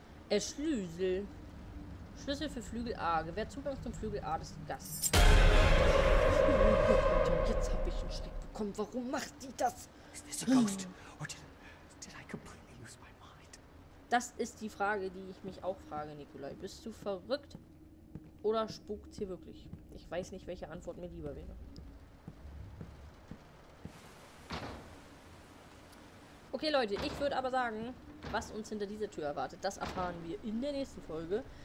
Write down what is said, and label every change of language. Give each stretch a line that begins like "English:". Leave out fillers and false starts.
German: Der Schlüssel. Schlüssel für Flügel A. Gewährt Zugang zum Flügel A des Gas. Jetzt habe ich einen Schreck bekommen. Warum macht die das? Ist das ein Ghost? Oder
English: did I completely lose my mind?
German: Das ist die Frage, die ich mich auch frage, Nikolai. Bist du verrückt? Oder spukt sie wirklich? Ich weiß nicht, welche Antwort mir lieber wäre. Okay, Leute, ich würde aber sagen, was uns hinter dieser Tür erwartet, das erfahren wir in der nächsten Folge.